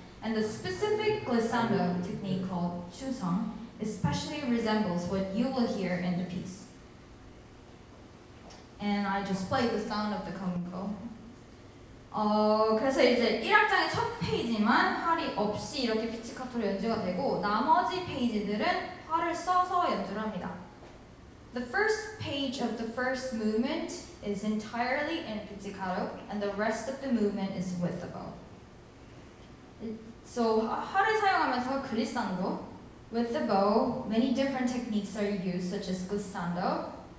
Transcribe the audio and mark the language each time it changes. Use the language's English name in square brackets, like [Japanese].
[English] And the specific glissando technique called 추성 especially resembles what you will hear in the piece. And I just played the sound of the 거문고. [Korean] 그래서 이제 1악장의 첫 페이지만 활이 없이 이렇게 피치카토로 연주가 되고 나머지 페이지들은 활을 써서 연주를 합니다. [English] The first page of the first movement is entirely in pizzicato and the rest of the movement is with the bow. [Korean] So 활을 사용하면서 글리산도 [English] with the bow many different techniques are used such as glissando,